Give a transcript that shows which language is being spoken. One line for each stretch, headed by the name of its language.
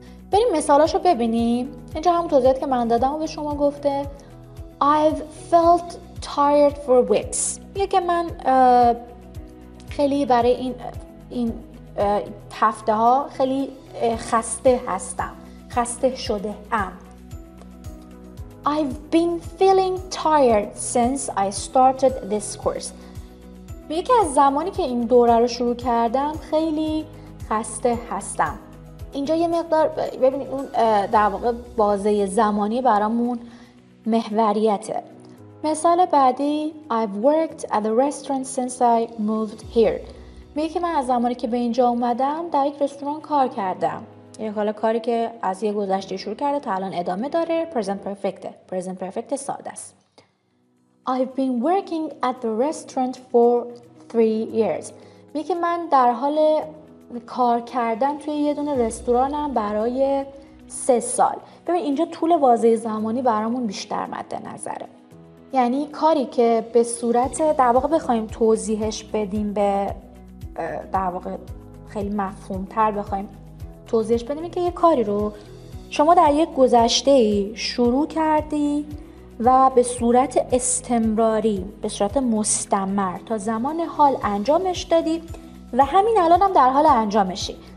Persian: بریم مثالاشو ببینیم. اینجا همون توضیحات که من دادم رو به شما گفته.
English: I've felt tired for weeks.
Persian: یه که من خیلی برای این هفته ها خیلی خسته هستم. خسته شده ام.
English: I've been feeling tired since I started this course.
Persian: یکی از زمانی که این دوره رو شروع کردم خیلی خسته هستم. اینجا یه مقدار ببینید اون در واقع بازه زمانی برامون محوریته. مثال بعدی
English: I've worked at the restaurant since I moved here.
Persian: میگه که من از زمانی که به اینجا اومدم در یک رستوران کار کردم. یک حالا کاری که از یه گذشته شروع کرده تا الان ادامه داره. Present perfecte. Present perfecte ساده است.
English: I've been working at the restaurant for 3 years.
Persian: میگه که من در حال کار کردن توی یه دونه رستورانم برای 3 سال. ببین اینجا طول واژه زمانی برامون بیشتر مد نظره. یعنی کاری که به صورت در واقع بخوایم توضیحش بدیم به در واقع خیلی مفهوم تر بخوایم توضیحش بدیم که یه کاری رو شما در یک گذشته شروع کردی و به صورت استمراری به صورت مستمر تا زمان حال انجامش دادی و همین الان هم در حال انجامشی.